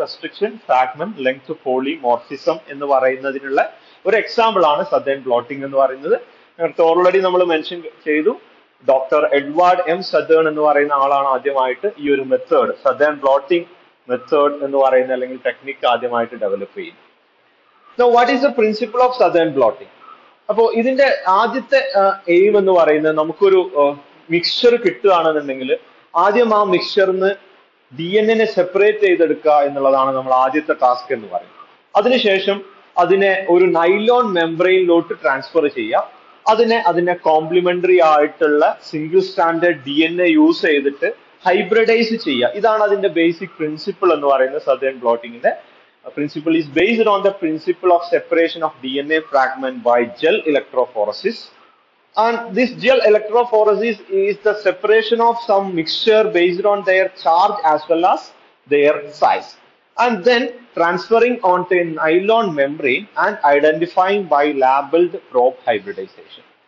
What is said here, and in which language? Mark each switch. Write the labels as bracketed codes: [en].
[ml] Restriction fragment length polymorphism എന്ന് പറയുന്നതിനുള്ള ഒരു example ആണ് സദേൺ ബ്ലോട്ടിംഗ് എന്ന് പറയുന്നത്. നേരത്തെ ഓൾറെഡി നമ്മൾ മെൻഷൻ ചെയ്തു, ഡോക്ടർ എഡ്വാർഡ് എം സദേൺ എന്ന് പറയുന്ന ആളാണ് ആദ്യമായിട്ട് ഈ ഒരു മെത്തേഡ്, സദേൺ ബ്ലോട്ടിംഗ് മെത്തേഡ് എന്ന് പറയുന്ന അല്ലെങ്കിൽ ടെക്നിക്ക് ആദ്യമായിട്ട് ഡെവലപ്പ് ചെയ്യുന്നത്. [en] Now, what is the principle of southern blotting? [ml] അപ്പോ ഇതിന്റെ ആദ്യത്തെ എയിം എന്ന് പറയുന്നത് നമുക്കൊരു മിക്സ്ചർ കിട്ടുകയാണെന്നുണ്ടെങ്കിൽ ആദ്യം ആ മിക്സ്ചറിന്ന് ഡി എൻ എ സെപ്പറേറ്റ് ചെയ്തെടുക്കുക എന്നുള്ളതാണ് നമ്മൾ ആദ്യത്തെ ടാസ്ക് എന്ന് പറയുന്നത്. അതിനുശേഷം അതിനെ ഒരു നൈലോൺ മെംബ്രെയിനിലോട്ട് ട്രാൻസ്ഫർ ചെയ്യുക, അതിനെ അതിന്റെ കോംപ്ലിമെന്ററി ആയിട്ടുള്ള single standard D N A use ചെയ്തിട്ട് ഹൈബ്രിഡൈസ് ചെയ്യുക. ഇതാണ് അതിന്റെ ബേസിക് പ്രിൻസിപ്പിൾ എന്ന് പറയുന്നത്. [en] Southern ബ്ലോട്ടിങ്ങിന്റെ principle is based on the principle of separation of DNA fragment by gel electrophoresis, and this gel electrophoresis is the separation of some mixture based on their charge as well as their size, and then transferring onto a nylon membrane and identifying by labeled probe hybridization.